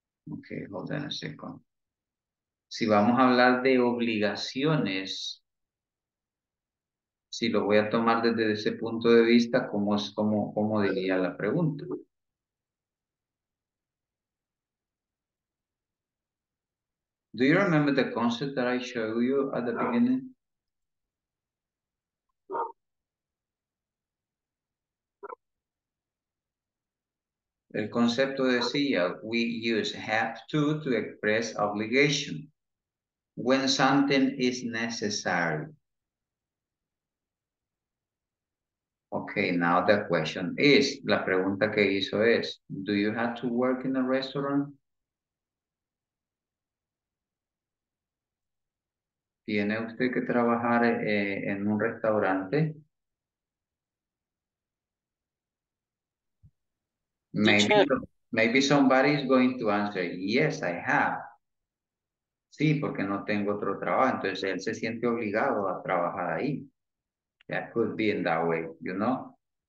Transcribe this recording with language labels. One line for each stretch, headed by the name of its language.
Spanish: Okay, hold on a second. Si vamos a hablar de obligaciones, si lo voy a tomar desde ese punto de vista, ¿cómo diría la pregunta?
English: Do you remember the concept that I showed you at the beginning?
Spanish: El concepto decía,
English: we use have to express obligation. When something is necessary. Okay, now the question is,
Spanish: la pregunta que hizo es,
English: do you have to work in a restaurant?
Spanish: ¿Tiene usted que trabajar en un restaurante?
English: Maybe somebody is going to answer, yes, I have.
Spanish: Sí, porque no tengo otro trabajo. Entonces, él se siente obligado a trabajar ahí.
English: That could be in that way, you know?